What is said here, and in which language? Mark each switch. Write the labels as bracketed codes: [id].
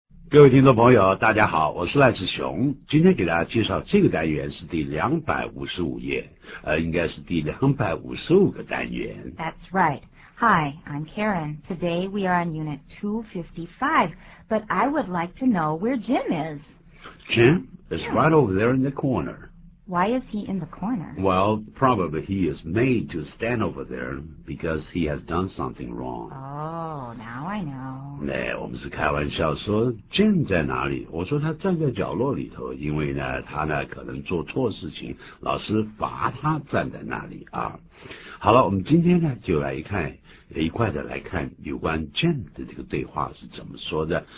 [zh] 各位听众朋友，大家好，我是赖志雄。今天给大家介绍这个单元是第255页，应该是第255个单元。 [en] That's right. Hi, I'm Karen. Today we are on unit 255, but I would like to know where Jim is. Jim is right over there in the corner. Why is he in the corner? Well, probably he is made to stand over there because he has done something wrong. Oh, now I know. [zh] 对，我们是开玩笑说 Jim 在哪里？我说他站在角落里头，因为呢，他呢可能做错事情，老师罚他站在那里啊。好了，我们今天呢就来看一块的来看有关 Jim 的这个对话是怎么说的。